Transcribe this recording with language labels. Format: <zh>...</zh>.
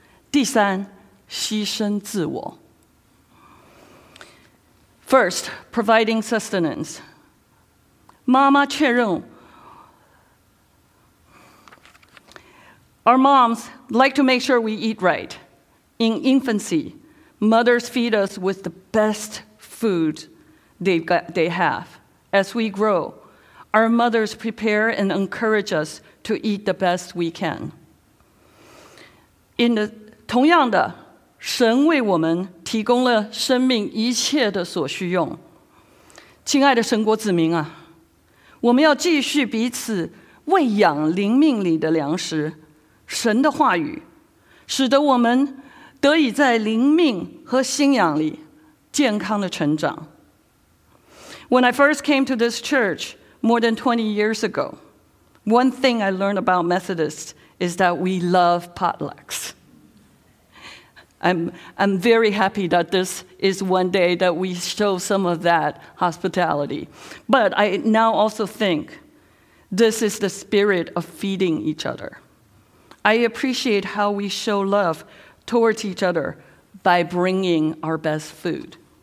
<zh>第一,喂养。第二,温柔。第三,牺牲自我。</zh> <en>First, providing sustenance.</en> <zh>妈妈确认,</zh> <en>our moms like to make sure we eat right. In infancy, mothers feed us with the best food they have. As we grow, our mothers prepare and encourage us to eat the best we can.</en> <zh>同样的, 神为我们提供了生命一切的所需用。亲爱的神国子民啊，我们要继续彼此喂养灵命里的粮食，神的话语，使得我们得以在灵命和信仰里健康的成长。</zh> <en>When I first came to this church more than 20 years ago, one thing I learned about Methodists is that we love potlucks. I'm very happy that this is one day that we show some of that hospitality. But I now also think this is the spirit of feeding each other. I appreciate how we show love towards each other by bringing our best food.</en>